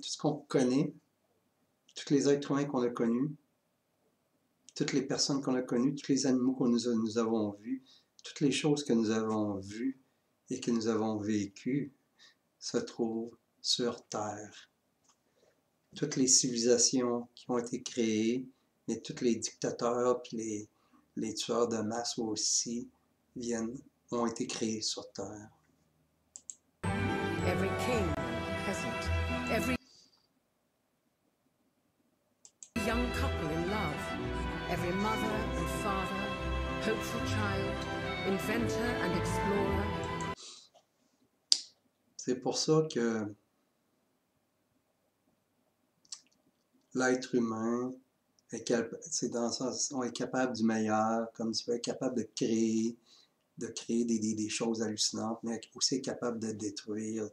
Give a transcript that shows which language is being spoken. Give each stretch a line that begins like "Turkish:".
French: Tout ce qu'on connaît, tous les êtres humains qu'on a connus, toutes les personnes qu'on a connues, tous les animaux que nous avons vus, toutes les choses que nous avons vues et que nous avons vécues se trouvent sur Terre. Toutes les civilisations qui ont été créées, mais tous les dictateurs puis les tueurs de masse aussi viennent, ont été créés sur Terre.
English: Every king, peasant, every young couple in love, every mother and father, hopeful child, inventor and explorer.
French: C'est pour ça que l'être humain on est capable du meilleur, comme tu veux, capable de créer des choses hallucinantes, mais aussi capable de détruire.